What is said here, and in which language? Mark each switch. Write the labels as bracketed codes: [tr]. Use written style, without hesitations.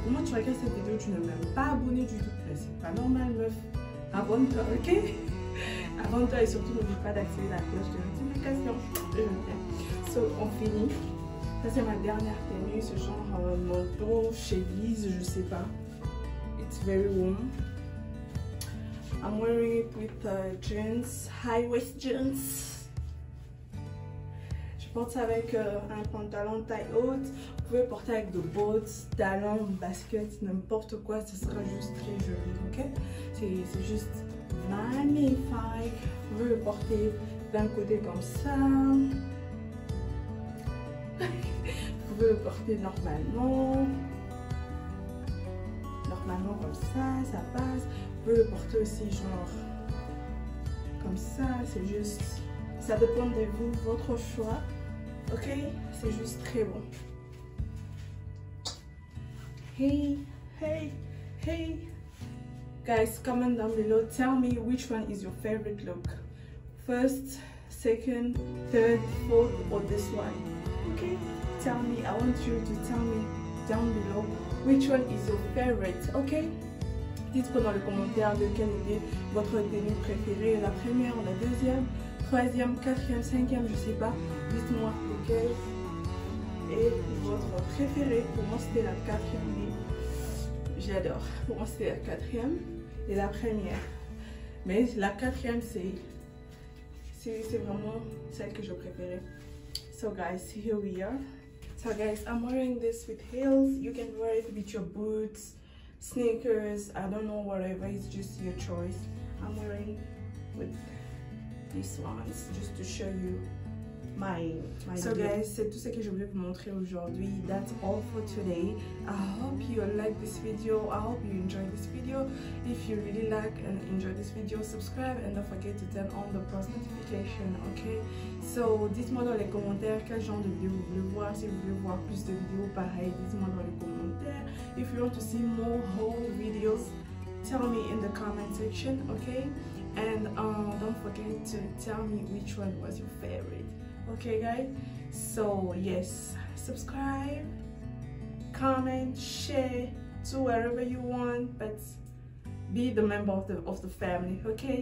[fr] Comment tu regardes cette vidéo, tu ne m'as pas abonné du tout. C'est pas normal, meuf. Abonne-toi, ok? Abonne-toi et surtout n'oublie pas d'activer la cloche de notification. So, on finit. Ça, c'est ma dernière tenue, ce genre manteau, chemise, je sais pas. [en] It's very warm. I'm wearing it with jeans, high waist jeans. [fr] Je porte ça avec un pantalon taille haute. Vous pouvez porter avec des bottes, talons, baskets, n'importe quoi. Ce sera juste très joli, ok? C'est juste magnifique. Vous pouvez le porter d'un côté comme ça. Vous pouvez le porter normalement comme ça, ça passe. Vous pouvez le porter aussi genre comme ça, c'est juste, ça dépend de vous, votre choix, ok? C'est juste très bon. [en] Hey guys, comment down below, tell me which one is your favorite look, first, second, third, fourth, or this one, okay? Tell me, I want you to tell me down below which one is your favorite, okay? [fr] Dites-moi dans les commentaires de quelle idée votre tenue préférée, la première, la deuxième, troisième, quatrième, cinquième, je sais pas. Dites-moi lequel est votre préféré. Pour moi, c'était la quatrième idée. J'adore. Pour moi, c'était la quatrième et la première. Mais la quatrième, c'est vraiment celle que je préférais. [en] So guys, here we are. So guys, I'm wearing this with heels. You can wear it with your boots, sneakers, I don't know, whatever, it's just your choice. I'm wearing with these ones just to show you my [fr] so guys, c'est tout ce que je voulais vous montrer aujourd'hui. [en] That's all for today. I hope you like this video. I hope you enjoyed this video. If you really like and enjoy this video, subscribe and don't forget to turn on the post notification, okay? [fr] So dites-moi dans les commentaires quel genre de vidéo vous voulez voir. Si vous voulez voir plus de vidéos pareil, dites-moi dans les commentaires. [en] If you want to see more haul videos, tell me in the comment section, okay? And don't forget to tell me which one was your favorite. Okay guys, so yes, subscribe, comment, share to wherever you want, but be the member of the family, okay?